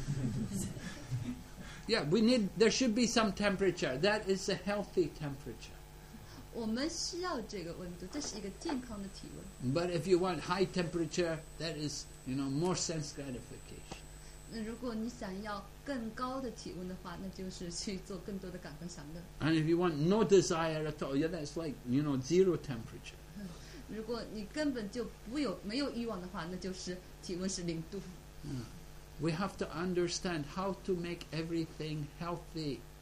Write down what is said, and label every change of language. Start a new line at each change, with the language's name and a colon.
Chinese: 38度就是一个正常的体温。37.5。
English: Yeah, there should be some temperature. That is a healthy temperature.
Chinese: 我们需要这个温度，这是一个健康的体温。
English: But if you want high temperature, that is, you know, more sense gratification.
Chinese: 如果你想要更高的体温的话，那就是去做更多的感官享乐。
English: And if you want no desire at all, yeah, that's like, you know, zero temperature.
Chinese: 如果你根本就没有欲望的话，那就是体温是零度。
English: We have to understand how to make everything healthy.